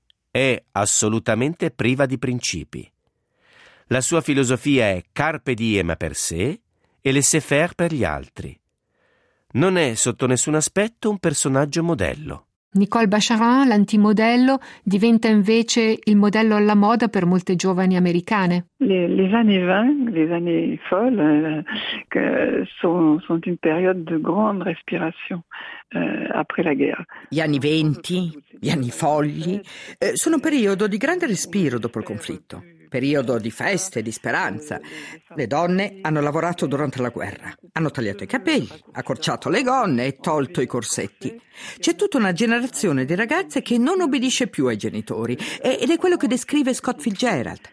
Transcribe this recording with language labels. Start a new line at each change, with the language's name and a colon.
Italian: È assolutamente priva di principi. La sua filosofia è carpe diem per sé e laissez faire per gli altri. Non è sotto nessun aspetto un personaggio modello. Nicole Bacharin, l'antimodello, diventa invece il modello alla moda per molte giovani americane.
French: Les années 20, les années folles, sont une période de grande respiration après la guerra.
Italian: Gli anni 20, gli anni folli, sono un periodo di grande respiro dopo il conflitto. Periodo di feste, di speranza. Le donne hanno lavorato durante la guerra, hanno tagliato i capelli, accorciato le gonne e tolto i corsetti. C'è tutta una generazione di ragazze che non obbedisce più ai genitori ed è quello che descrive Scott Fitzgerald.